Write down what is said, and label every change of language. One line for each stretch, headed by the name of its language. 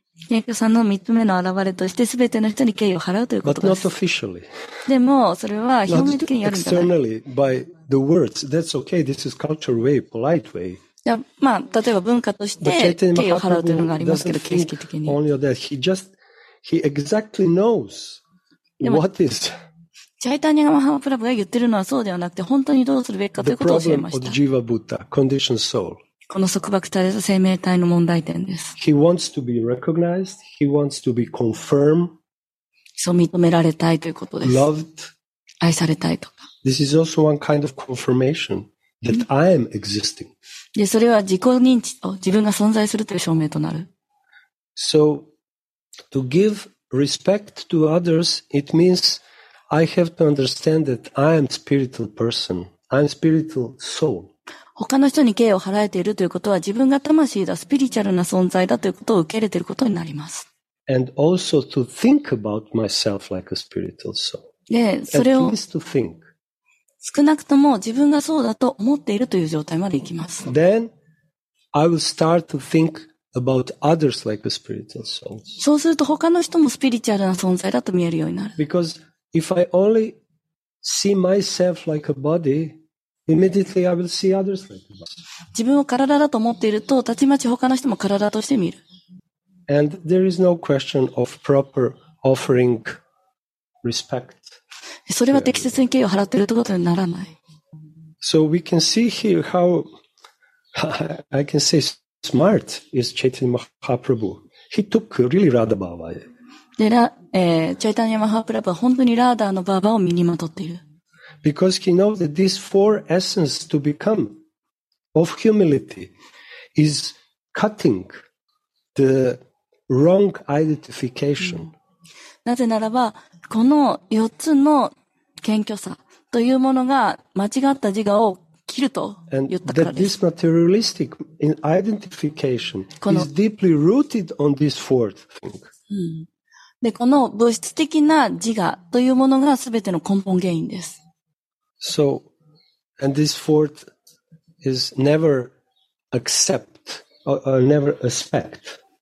Japanese: 謙虚さんの三つ目の現れとして全ての人に敬意を払うということです。
English: But not officially.
Japanese: でも、それは表面的にやるんじゃない。
English: Externally, by the words. That's okay. This is cultural way, polite way.
Japanese: まあ、例えば文化として敬意を払うというのがありますけど、形式的に。
English: Only that he just, he exactly knows what is.
Japanese: チャイタニア・マハプラブが言ってるのはそうではなくて、本当にどうするべきかということを教えました。
English: The problem of Jiva Buddha, conditioned soul.
Japanese: この束縛された生命体の問題点です。
English: He wants to be recognized, he wants to be confirmed.
Japanese: そう認められたいということです。
English: Loved.
Japanese: 愛されたいとか。
English: This is also one kind of confirmation. That I am existing.
Japanese: で、それは自己認知と自分が存在するという証明となる。
English: So, to give respect to others, it means I have to understand that I am a spiritual person. I am a spiritual soul.
Japanese: 他の人に敬意を払えているということは自分が魂だ、スピリチュアルな存在だということを受け入れていることになります。
English: And also to think about myself like a spiritual soul.
Japanese: で、それを。
English: At least to think.
Japanese: 少なくとも自分がそうだと思っているという状態までいきます。
English: Then, I will start to think about others like a spiritual soul.
Japanese: そうすると他の人もスピリチュアルな存在だと見えるようになる。
English: Because if I only see myself like a body, immediately I will see others like a body.
Japanese: 自分を体だと思っていると、たちまち他の人も体として見る。
English: And there is no question of proper offering respect.
Japanese: それは適切に敬意を払っているということにならない。
English: So we can see here how I can say smart is Chaitanya Mahaprabhu. He took really Radha Bhava.
Japanese: Chaitanya Mahaprabhu は本当にラーダのバーバーを身にまとっている。
English: Because he knows that these four essences to become of humility is cutting the wrong identification.
Japanese: なぜならば、この四つの謙虚さというものが間違った自我を切ると言ったからです。
English: And that this materialistic identification is deeply rooted on this fourth thing.
Japanese: で、この物質的な自我というものが全ての根本原因です。
English: So, and this fourth is never accept or never expect.